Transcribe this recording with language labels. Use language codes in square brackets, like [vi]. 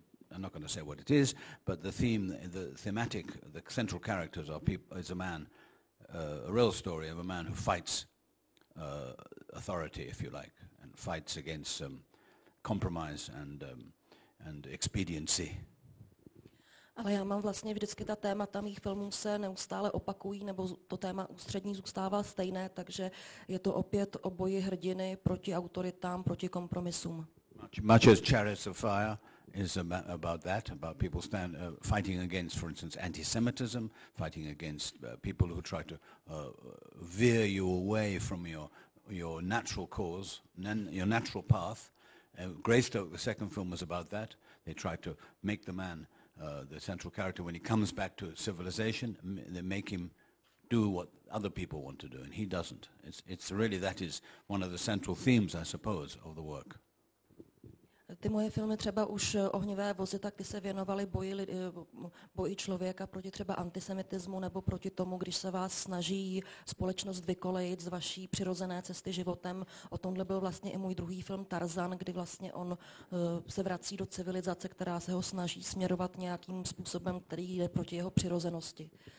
[en] I'm not going to say what it is, but the central characters are people, is a man, a real story of a man who fights authority, if you like, and fights against compromise and expediency. [cs] Ale já mám vlastně vždycky ta témata mých filmů se neustále opakují, nebo to téma ústřední zůstává stejné, takže je to opět o boji hrdiny proti autoritám, proti kompromisům. [en] Much as Chariots of Fire is about that, about people stand fighting against, for instance, anti-Semitism, fighting against people who try to veer you away from your natural cause, your natural path. Greystoke, the second film, was about that. They try to make the man, the central character, when he comes back to civilization, they make him do what other people want to do, and he doesn't. It's really, that is one of the central themes, I suppose, of the work. [cs] Ty moje filmy třeba už Ohnivé vozy, tak ty se věnovaly boji člověka proti třeba antisemitismu nebo proti tomu, když se vás snaží společnost vykolejit z vaší přirozené cesty životem. O tomhle byl vlastně i můj druhý film Tarzan, kdy vlastně on se vrací do civilizace, která se ho snaží směrovat nějakým způsobem, který jde proti jeho přirozenosti.